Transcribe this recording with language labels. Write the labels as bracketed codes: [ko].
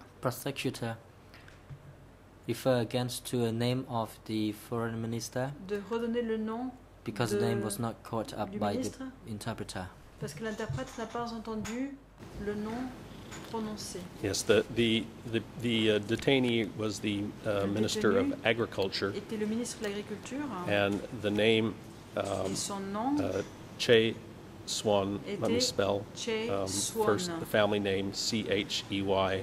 [en] prosecutor, refer again to a name of the foreign minister, [fr] de redonner le nom, [en] because the name was not caught up by the interpreter. [fr] Parce que l'interprète n'a pas entendu le nom prononcé. [en] Yes, the detainee was the Minister of Agriculture. [fr] Était le ministre de l'agriculture. [en] And the name, [fr] son nom, [en] Che Swan, let me spell [fr] Che Swan. [en] First the family name C H E Y.